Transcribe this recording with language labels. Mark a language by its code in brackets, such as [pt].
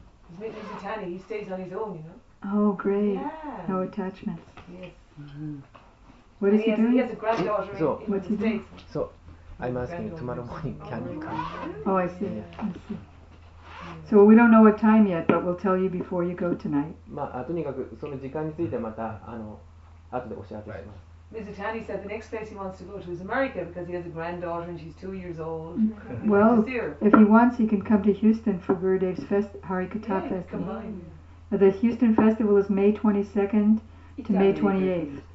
[en] He's making Bhushanam, he stays on his own, you know? Oh, great. Yeah. No attachments. Yes. Mm-hmm. What is he doing? He has a granddaughter in the States. So, I'm asking tomorrow morning, can you come? Oh, I see. So, we don't know what time yet, but we'll tell you before you go tonight. [ja] まあ、とにかくその時間についてまた、後でお知らせします。 [en] Right. Mr. Tani said the next place he wants to go to is America because he has a granddaughter and she's 2 years old. Well, if he wants, he can come to Houston for Gurudev's Harikatha Festival. Yeah, the Houston Festival is May 22nd to May 28th.